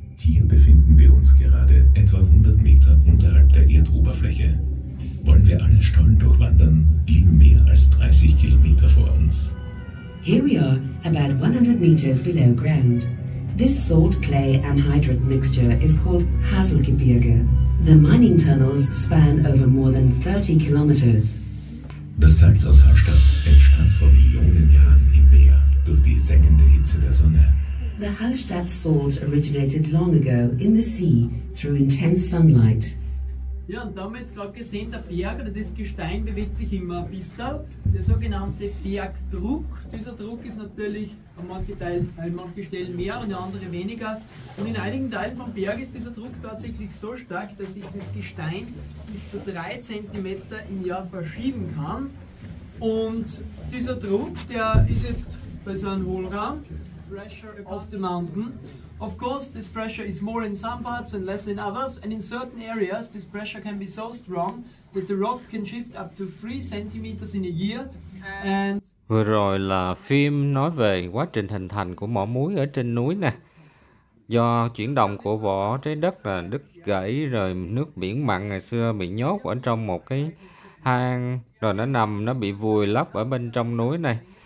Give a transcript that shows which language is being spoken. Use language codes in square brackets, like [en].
[de] Hier befinden wir uns gerade etwa 100 Meter unterhalb der Erdoberfläche. Wollen wir alle Stollen durchwandern, liegen mehr als 30 Kilometer vor uns. [en] Here we are, about 100 meters below ground. This salt clay anhydrite mixture is called Haselgebirge. The mining tunnels span over more than 30 kilometers. [de] Das Salz aus Hallstatt entstand vor Millionen Jahren im Meer durch die sengende Hitze der Sonne. [en] The Hallstatt salt originated long ago in the sea through intense sunlight. [de] Ja, und da haben wir jetzt gerade gesehen, der Berg oder das Gestein bewegt sich immer ein bisschen. Der sogenannte Bergdruck. Dieser Druck ist natürlich an manchen Stellen mehr und an anderen weniger. Und in einigen Teilen vom Berg ist dieser Druck tatsächlich so stark, dass sich das Gestein bis zu 3 cm im Jahr verschieben kann. Und dieser Druck, der ist jetzt bei so einem Hohlraum, [en] pressure of the mountain. Of course, this pressure is more in some parts and less in others, and in certain areas, this pressure can be so strong that the rock can shift up to 3 centimeters in a year. And [vi] vừa rồi là phim nói về quá trình hình thành của mỏ muối ở trên núi nè. Do chuyển động của vỏ trái đất là đứt gãy, rồi nước biển mặn ngày xưa bị nhốt ở trong một cái hang, rồi nó nằm, nó bị vùi lấp ở bên trong núi này.